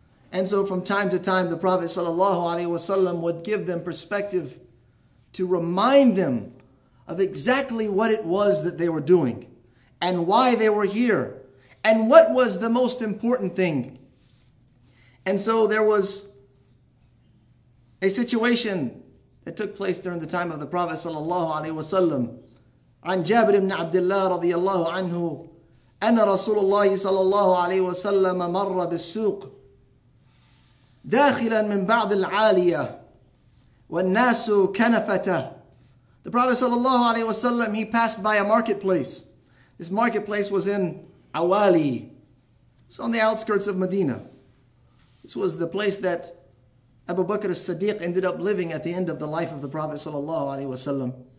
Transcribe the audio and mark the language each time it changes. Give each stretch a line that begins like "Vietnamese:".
English: And so from time to time, the Prophet sallallahu alaihi wasallam would give them perspective to remind them of exactly what it was that they were doing and why they were here and what was the most important thing. And so there was a situation that took place during the time of the Prophet sallallahu alaihi wasallam.
Arabic: An Jabir ibn Abdullah radiyallahu anhu, أن رسول الله صلى الله عليه وسلم مر بالسوق داخلا من بعض العالية والناس كنفته.
English: The Prophet صلى الله عليه وسلم, he passed by a marketplace. This marketplace was in Awali. It's on the outskirts of Medina. This was the place that Abu Bakr as-Siddiq ended up living at the end of the life of the Prophet صلى الله عليه وسلم.